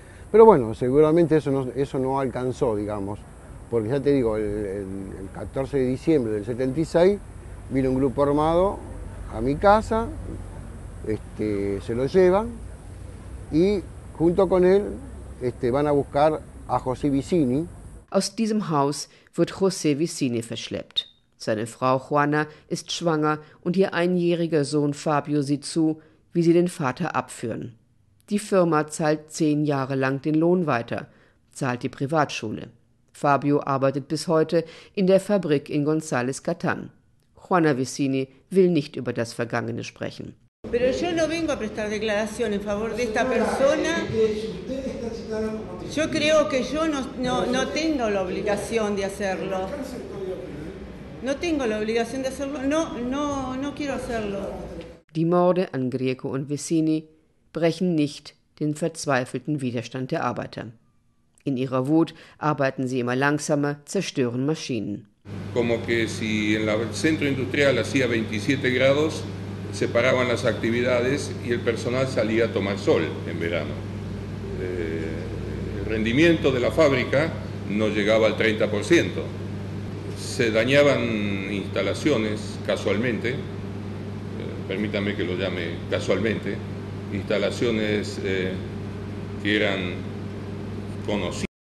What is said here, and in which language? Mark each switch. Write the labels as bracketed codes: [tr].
[es] Pero bueno, seguramente eso no alcanzó, digamos. Porque ya te digo, el 14 de diciembre del 76 vino un grupo armado a mi casa, se lo llevan y junto con él van a buscar a José Vicini. [de] Aus diesem Haus wird José Vicini verschleppt. Seine Frau Juana ist schwanger und ihr einjähriger Sohn Fabio sieht zu, wie sie den Vater abführen. Die Firma zahlt 10 Jahre lang den Lohn weiter, zahlt die Privatschule. Fabio arbeitet bis heute in der Fabrik in González Catán. Juana Vicini will nicht über das Vergangene sprechen. [es] Pero yo no vengo a prestar declaración en favor de esta persona. Yo creo que yo no tengo la obligación de hacerlo. No tengo la obligación de hacerlo. No quiero hacerlo. [de] Die Morde an Grieco und Vicini brechen nicht den verzweifelten Widerstand der Arbeiter. In ihrer Wut arbeiten sie immer langsamer, zerstören Maschinen. [es] Como que si en el centro industrial hacía 27 grados, se paraban las actividades y el personal salía a tomar sol en verano. El rendimiento de la fábrica no llegaba al 30%. Se dañaban instalaciones casualmente, permítanme que lo llame casualmente, instalaciones que eran conocidas.